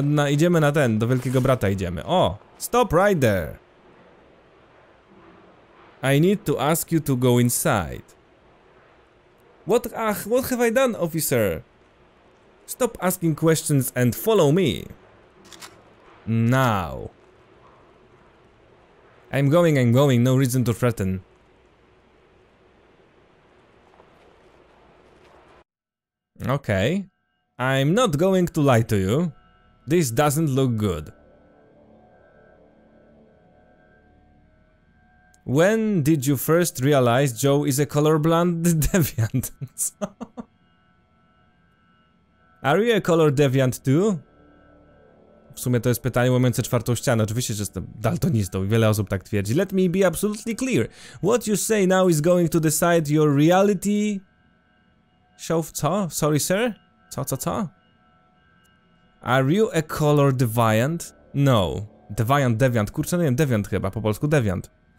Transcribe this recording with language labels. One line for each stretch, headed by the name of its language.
Polish: Idziemy na ten, do Wielkiego Brata idziemy.
English: O! Stop right there! I need to ask you to go inside. What have I done, officer? Stop asking questions and follow me. Now. I'm going, no reason to threaten. Okay. I'm not going to lie to you. This doesn't look good. When did you first realize Joe is a colorblind deviant? Are you a color deviant too?
Polish: W sumie to jest pytanie łamiące czwartą ścianę. Oczywiście, że jestem daltonistą i wiele osób tak twierdzi.
English: Let me be absolutely clear. What you say now is going to decide your reality...
Polish: Show co?
English: Sorry, sir?
Polish: Co?
English: Are you a color deviant? No.
Polish: Deviant, kurczę, no nie wiem, deviant chyba, po polsku deviant.